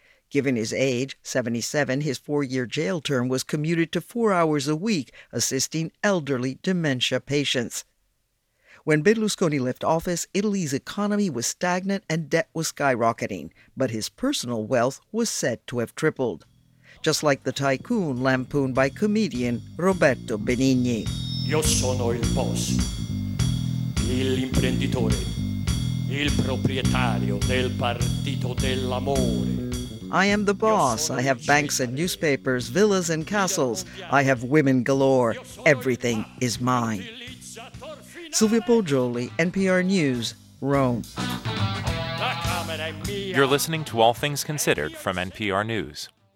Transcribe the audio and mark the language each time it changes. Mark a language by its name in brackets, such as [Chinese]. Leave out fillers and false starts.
[English] Given his age, 77, his four-year jail term was commuted to 4 hours a week assisting elderly dementia patients. When Berlusconi left office, Italy's economy was stagnant and debt was skyrocketing, but his personal wealth was said to have tripled. Just like the tycoon lampooned by comedian Roberto Benigni. [Italian] Io sono il boss, l'imprenditore, il proprietario del partito dell'amore. [English] I am the boss. I have banks and newspapers, villas and castles. I have women galore. Everything is mine. Silvia Poggioli, NPR News, Rome. You're listening to All Things Considered from NPR News.